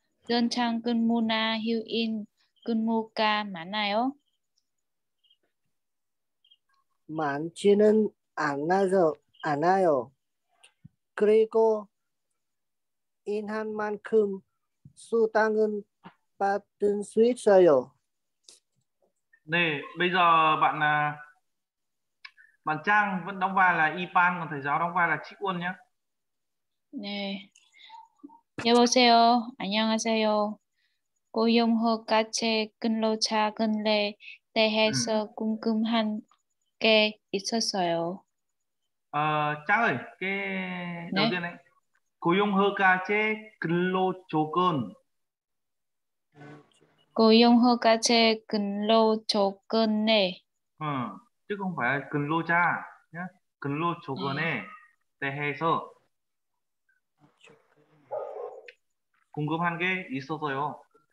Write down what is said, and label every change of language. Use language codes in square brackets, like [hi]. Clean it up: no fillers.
[ko] 연장 근무나 휴일 근무가 많아요? 많지는 않아요. 그리고 인한 만큼 수당은 받을 수 있어요. [vi] 네, bây giờ bạn bạn Trang vẫn đóng vai là Ipan, còn thầy giáo đóng vai là Chích Quân nhé. [ko] 네, 여보세요. 안녕하세요. 고용허가제 근로자금에 대해서 궁금한 게 있었어요. [vi] 아, Trang ơi, cái 네? đầu tiên này, [ko] 고용허가제 근로조건. 고용허가제 근로조건에. 응, 이건 뭐야? 근로자, 네? 근로조건에 대해서 궁금한 게 있어서요.